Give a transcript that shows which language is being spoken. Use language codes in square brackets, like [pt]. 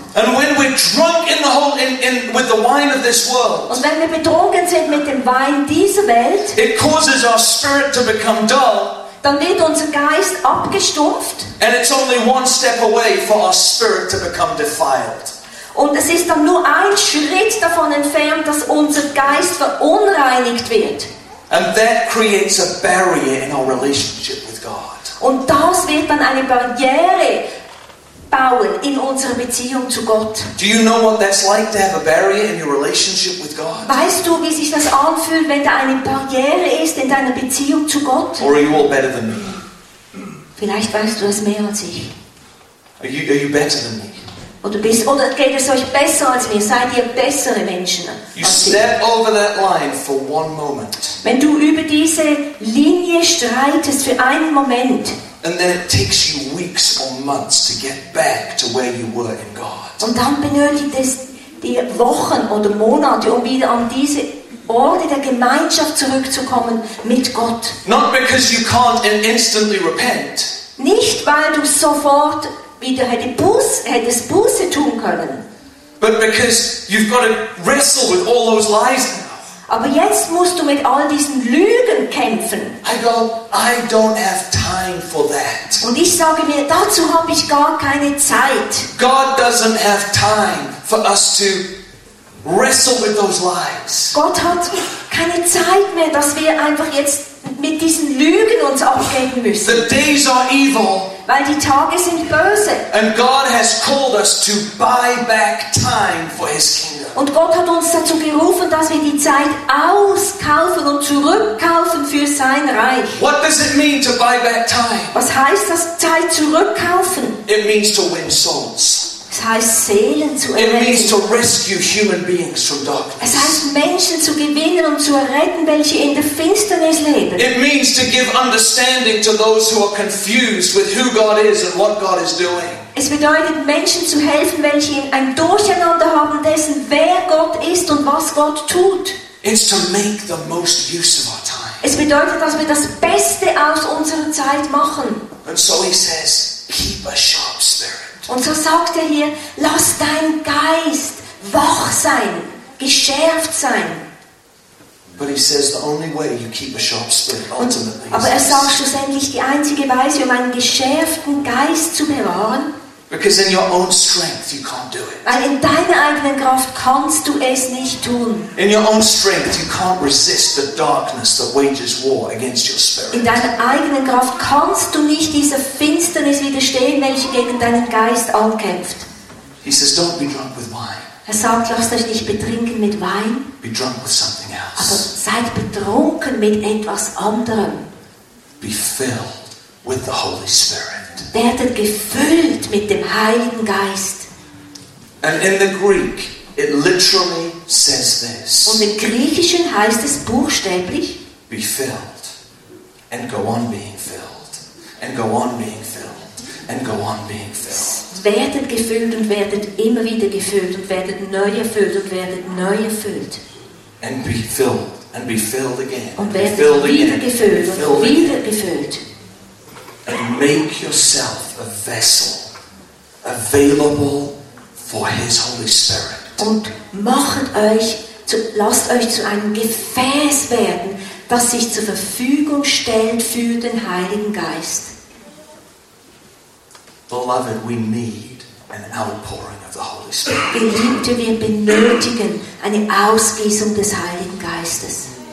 [en] And when we're drunk in the whole, with the wine of this world. [de] Und wenn wir betrunken sind mit dem Wein dieser Welt. [en] It causes our spirit to become dull. [de] Dann wird unser Geist abgestumpft. [en] And it's only one step away for our spirit to become defiled. [de] Und es ist dann nur ein Schritt davon entfernt, dass unser Geist verunreinigt wird. [en] And that creates a barrier in our relationship with God. [de] Und das wird dann eine Barriere bauen in unserer Beziehung zu Gott. [en] Do you know what that's like to have a barrier in your relationship with God? [de] Weißt du, wie sich das anfühlt, wenn da eine Barriere ist in deiner Beziehung zu Gott? [en] Or are you all better than me? [de] Vielleicht weißt du das mehr als ich. [en] Are you better than me? [de] Oder geht es euch besser als mir? Seid ihr bessere Menschen? [en] You step over that line for one moment. [de] Wenn du über diese Linie streitest für einen Moment. [en] And then it takes you weeks or months to get back to where you were in God. [de] Und dann benötigt es dir Wochen oder Monate, um wieder an diese Orte der Gemeinschaft zurückzukommen mit Gott. [en] Not because you can't instantly repent. [de] Nicht weil du sofort wieder hättest Buße tun können. [en] But because you've got to wrestle with all those lies now. [de] Aber jetzt musst du mit all diesen Lügen kämpfen. [en] I don't have time for that. [de] Und ich sage mir, dazu habe ich gar keine Zeit. [en] God doesn't have time for us to wrestle with those lies. [de] Gott hat keine Zeit mehr, dass wir einfach jetzt mit diesen Lügen uns abgeben müssen. [en] The days are evil. [de] Weil die Tage sind böse. [en] And God has called us to buy back time for his kingdom. [de] Und Gott hat uns dazu gerufen, dass wir die Zeit auskaufen und zurückkaufen für sein Reich. [en] What does it mean to buy back time? [de] Was heißt das, Zeit zurückkaufen? [en] It means to win souls. [de] Es heißt, Seelen zu erretten. [en] It means to rescue human beings from darkness. [de] Es heißt, Menschen zu gewinnen und zu erretten, welche in der Finsternis leben. [en] It means to give understanding to those who are confused with who God is and what God is doing. [de] Es bedeutet, Menschen zu helfen, welche ein Durcheinander haben dessen, wer Gott ist und was Gott tut. [en] It's to make the most use of our time. [de] Es bedeutet, dass wir das Beste aus unserer Zeit machen. [en] And so he says, keep a sharp spirit. [de] Und so sagt er hier, lass dein Geist wach sein, geschärft sein. [en] But he says the only way you keep a sharp spirit ultimately. [de] Aber er sagt schlussendlich, die einzige Weise, um einen geschärften Geist zu bewahren. [en] Because in your own strength you can't do it. [de] Weil in deiner eigenen Kraft kannst du es nicht tun. [en] In your own strength you can't resist the darkness that wages war against your spirit. [de] In deiner eigenen Kraft kannst du nicht dieser Finsternis widerstehen, welche gegen deinen Geist ankämpft. [en] He says, don't be drunk with wine. [de] Er sagt, lass dich nicht betrinken mit Wein. [en] Be drunk with something else. [de] Aber seid betrunken mit etwas anderem. [en] Be filled with the Holy Spirit. [de] Werdet gefüllt mit dem Heiligen Geist. [en] And in the Greek, it literally says this. [de] Und im Griechischen heißt es buchstäblich: [en] Be filled and go on being filled and go on being filled and go on being filled. [de] Werdet gefüllt und werdet immer wieder gefüllt und werdet neu erfüllt und werdet neu erfüllt. [en] And be filled and be filled again. [de] Und werdet wieder gefüllt und wieder gefüllt. [en] And make yourself a vessel available for his Holy Spirit. [de] Und macht euch zu, lasst euch zu einem Gefäß werden, das sich zur Verfügung stellt für den Heiligen Geist. [en] Beloved, we need an outpouring of the Holy Spirit. [de] Geliebte, wir benötigen eine Ausgießung des Heiligen Geistes.